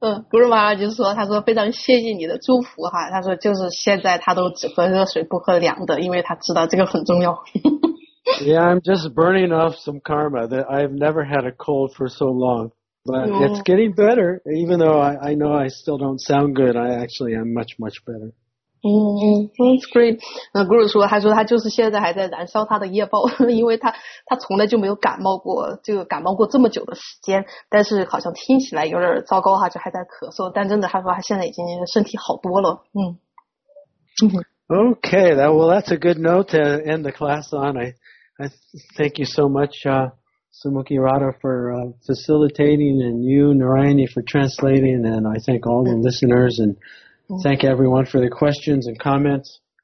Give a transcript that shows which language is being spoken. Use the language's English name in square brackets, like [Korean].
[Chinese] Guru Maharaj 就说，他说非常谢谢你的祝福哈，他说就是现在他都只喝热水不喝凉的，因为他知道这个很重要。 [English] Yeah, I'm just burning off some karma that I've never had a cold for so long, but it's getting better. Even though I know I still don't sound good, I actually am much much better. That's great. [Chinese] 那 Guru 说，他说他就是现在还在燃烧他的业报，因为他从来就没有感冒过，就感冒过这么久的时间，但是好像听起来有点糟糕哈，就还在咳嗽，但真的他说他现在已经身体好多了。 [English] Okay, that's a good note to end the class on. I thank you so much, Sumukhi Radha, for facilitating, and you, Narayani, for translating, and I thank all the listeners and thank everyone for the questions and comments.